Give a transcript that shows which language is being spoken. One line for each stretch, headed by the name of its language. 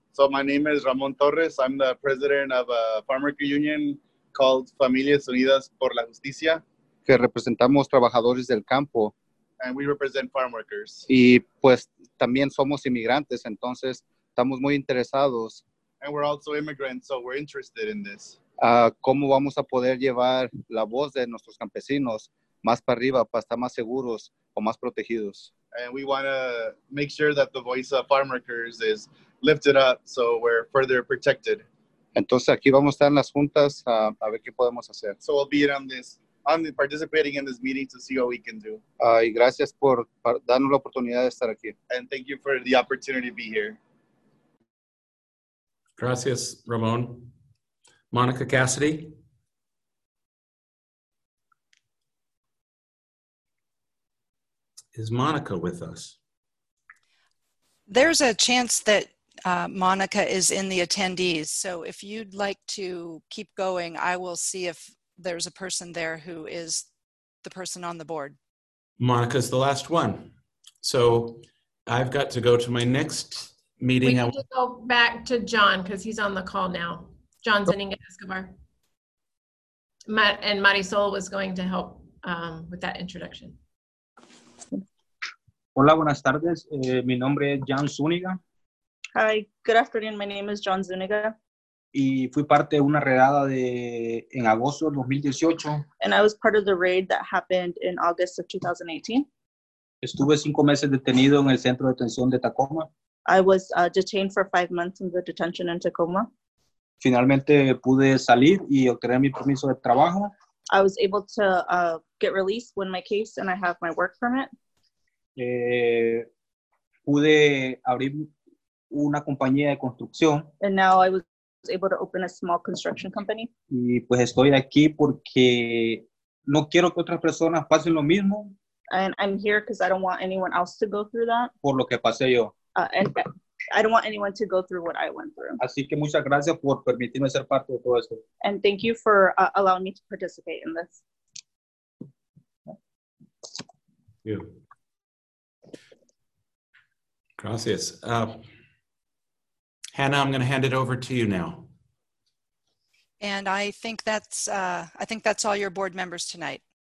English: So my name is Ramon Torres. I'm the president of a farmer union called Familias Unidas por la Justicia.
Spanish: Que representamos trabajadores del campo.
English: And we represent farm workers.
Spanish: Y pues también somos inmigrantes, entonces estamos muy interesados.
English: And we're also immigrants, so we're interested in this.
Spanish: ¿Cómo vamos a poder llevar la voz de nuestros campesinos más para arriba para estar más seguros o más protegidos?
English: And we want to make sure that the voice of farm workers is lifted up so we're further protected.
Spanish: Entonces aquí vamos a estar en las juntas a ver qué podemos hacer.
English: So we'll be on this. I'm participating in this meeting to see what we can do.
Spanish: Y gracias por darnos la oportunidad de estar aquí.
English: And thank you for the opportunity to be here.
Spanish: Gracias, Ramon. Monica Cassidy.
English: Is Monica with us? There's a chance that Monica is in the attendees. So if you'd like to keep going, I will see if there's a person there who is the person on the board. Monica's the last one. So I've got to go to my next meeting. We need to go back to John because he's on the call now. John Zeninga Escobar. And Marisol was going to help with that introduction.
Spanish: Hola, buenas tardes. Mi nombre es John Zuniga.
English: Hi, good afternoon. My name is John Zuniga.
Spanish: Y fui parte de una redada de en agosto del 2018.
English: And I was part of the raid that happened in August of 2018.
Spanish: Estuve 5 meses detenido en el centro de detención de Tacoma.
English: I was detained for 5 months in the detention in Tacoma.
Spanish: Finalmente pude salir y obtener mi permiso de trabajo.
English: I was able to get released, win my case, and I have my work permit.
Spanish: Pude abrir una compañía de construcción.
English: And now I was able to open a small construction company.
Spanish: Y pues estoy aquí porque no quiero que otras personas pasen lo mismo.
English: And I'm here because I don't want anyone else to go through that.
Spanish: Por lo que pasé yo.
English: And I don't want anyone to go through what I went through.
Spanish: Así que muchas gracias por permitirme ser parte de todo esto.
English: And thank you for allowing me to participate in this. Thank you.
Spanish: Gracias.
English: Hannah, I'm going to hand it over to you now. And I think that's all your board members tonight.